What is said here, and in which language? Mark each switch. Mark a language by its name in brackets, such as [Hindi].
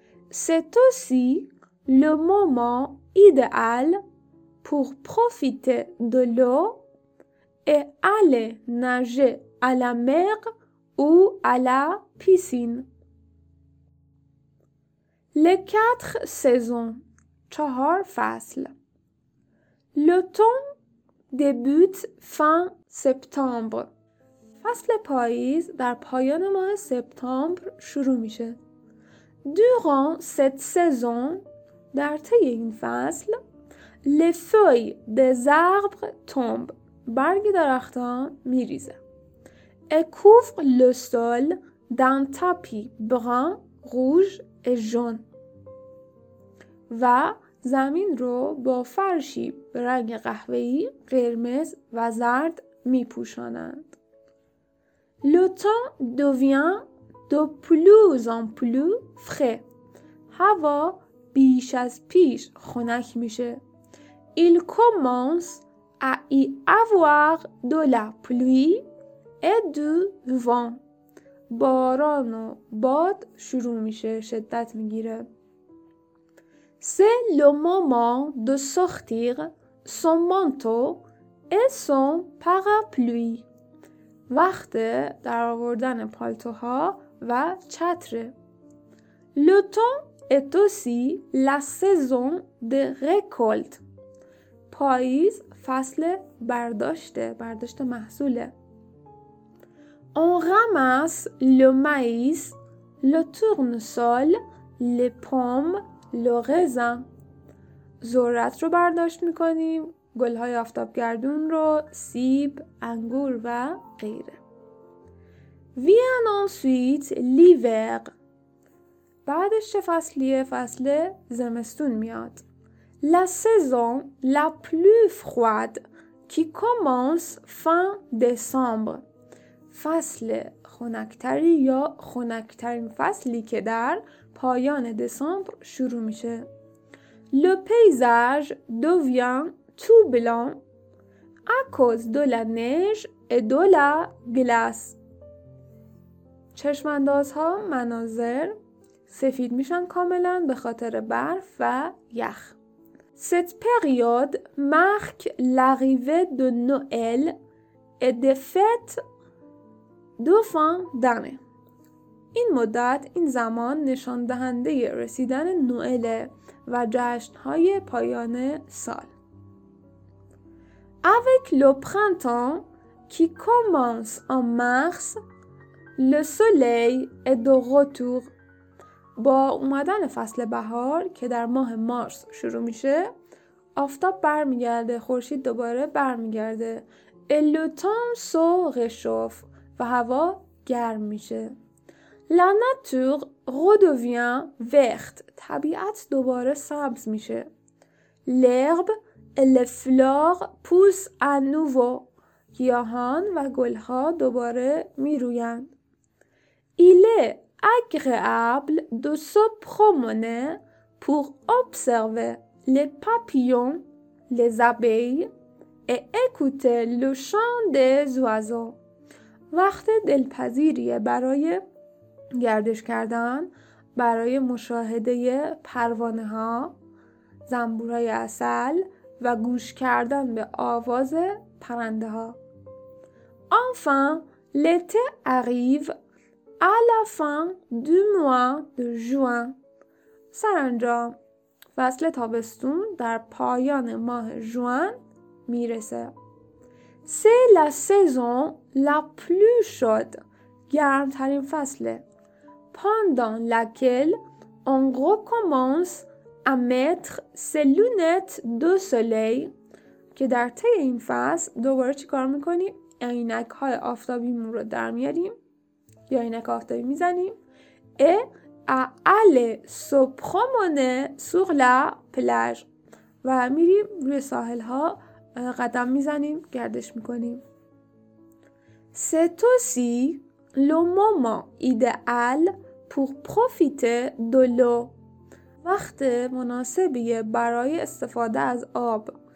[French] C'est aussi le moment idéal pour profiter de l'eau et aller nager à la mer ou à la piscine. Les quatre saisons. [Persian] چهار فصل. [French] L'automne débute fin septembre. [Persian] فصل پاییز در پایان ماه سپتامبر شروع میشه. [French] Durant cette saison, [Persian] در طی این فصل, [French] les feuilles des arbres tombent. [Persian] برگ درختان میریزه. [French] Et couvre le sol d'un tapis brun, rouge et jaune. [Persian] و زمین رو با فرشی رنگ قهوه‌ای، قرمز و زرد می‌پوشانند. [French] L'automne devient de plus en plus frais. [Persian] هوا بیش از پیش خنک میشه. [French] Il commence à y avoir de la pluie et du vent. [Persian] باران و باد شروع میشه، شدت میگیره. [French] C'est le moment de sortir son manteau et son parapluie. [Persian] وقت در آوردن پالتوها و چتر. [French] Le temps est aussi la saison de récolte. [Persian] پاییز فصل برداشت محصوله. [French] On ramasse le maïs, le tournesol, les pommes, le raisin. [Persian] ذرت رو برداشت میکنیم، گلهای آفتابگردون رو، سیب، انگور و غیره. [French] Vient ensuite l'hiver. [Persian] بعدش فصل زمستون میاد. [French] La saison la plus froide qui commence fin décembre. [Persian] فصل خنک‌تری یا خنک‌ترین فصلی که در پایان دسامبر شروع میشه. [French] Le paysage devient tout blanc à cause de la neige et de la glace. [Persian] چشماندازها مناظر سفید میشن کاملا به خاطر برف و یخ. [French] Cette période marque l'arrivée de Noël et des fêtes de fin d'année. [Persian] این مدت این زمان نشان دهنده رسیدن نوئل و جشن های پایان سال. [French] Avec le printemps qui commence en mars, le soleil est de retour. [Persian] با اومدن فصل بهار که در ماه مارس شروع میشه، آفتاب برمیگرده، خورشید دوباره برمیگرده. [French] Le temps se réchauffe [Persian] و هوا گرم میشه. [French] La nature redevient verte. [Persian] طبیعت دوباره سبز میشه. [French] L'herbe et les fleurs poussent à nouveau. [Persian] گیاهان و گلها دوباره میروین. [French] Il est agréable de se promener pour observer les papillons, les abeilles et écouter le chant des oiseaux. [Persian] وقت دلپذیریه برای گردش کردن، برای مشاهده پروانه ها، زنبورهای عسل و گوش کردن به آواز پرنده ها. [French] Enfin, l'été arrive à la fin du mois de juin. [Persian] سرانجام فصل تابستون در پایان ماه ژوئن میرسه. [French] C'est la saison la plus chaude. [Persian] گرمترین فصله. [French] Pendant laquelle on recommence à mettre ses lunettes de soleil. [Persian] که در طی این فصل دوباره چی کار میکنیم؟ عینک های آفتابیمون رو در میاریم یا عینک آفتابی میزنیم. [French] Et à aller se promener sur la plage. [Persian] و میریم روی ساحل ها قدم میزنیم، گردش میکنیم. [French] C'est aussi le moment idéal pour profiter de l'eau. [Persian] وقت مناسبیه برای استفاده از آب.